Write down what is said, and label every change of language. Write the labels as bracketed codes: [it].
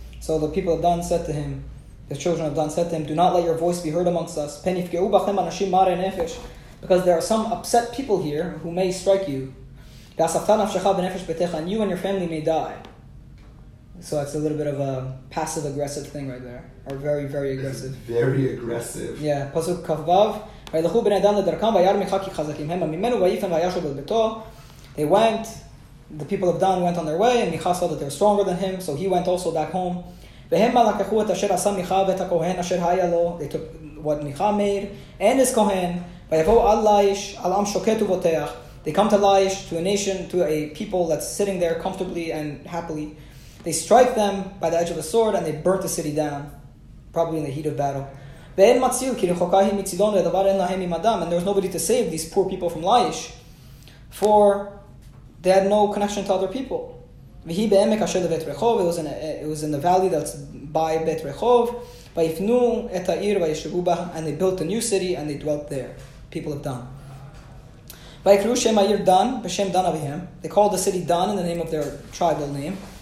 [en] So the people of Dan said to him, the children of Dan said to him, "Do not let your voice be heard amongst us. Because there are some upset people here who may strike you. And you and your family may die." So it's a little bit of a passive aggressive thing right there. Or very, very aggressive. Very aggressive. Yeah. Pasuk Kavvav. [he] וילכו בני דן לדרכם וירא מיכה כי חזקים הם ממנו ויפן וישוב אל ביתו. [en] They went, the people of Dan went on their way, and Micha saw that they were stronger than him, so he went also back home. [he] והם לקחו את אשר עשה מיכה ואת הכהן אשר היה לו. [en] They took what Micha made, and his כהן. [he] ויבואו על לאיש, על עם שוקט ובוטח. [en] They come to Laish, to a nation, to a people that's sitting there comfortably and happily. They strike them by the edge of a sword, and they burnt the city down, probably in the heat of battle. [he] ואין מציל כי רחוקה היא מצידון ודבר אין להם עם אדם. [en] And there was nobody to save these poor people from Laish, for they had no connection to other people. [he] והיא בעמק אשר לבית רחוב. [en] It was in the valley that's by [he] בית רחוב. ויפנו את העיר וישבו בה. [en] And they built a new city and they dwelt there. People of Dan. [he] ויקראו שם העיר דן בשם דן אביהם. [en] They called the city Dan in the name of their tribal name.